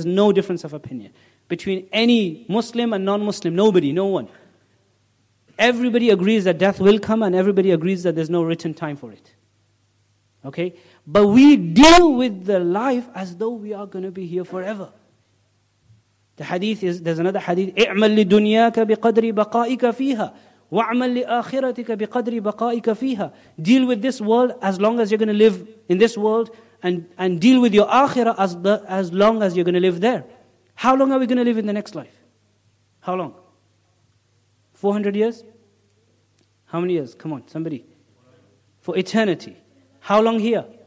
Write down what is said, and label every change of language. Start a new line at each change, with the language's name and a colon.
English: There's no difference of opinion between any Muslim and non-Muslim. Nobody, no one. Everybody agrees that death will come, and everybody agrees that there's no written time for it. Okay? But we deal with the life as though we are going to be here forever. The hadith is, there's another hadith,
Arabic: اِعْمَلْ لِدُنْيَاكَ بِقَدْرِ بَقَائِكَ فِيهَا وَعْمَلْ لِآخِرَتِكَ بِقَدْرِ بَقَائِكَ فِيهَا.
English: Deal with this world as long as you're going to live in this world, and deal with your akhirah as long as you're going to live there. How long are we going to live in the next life? How long? 400 years? How many years? Come on, somebody. For eternity. How long here?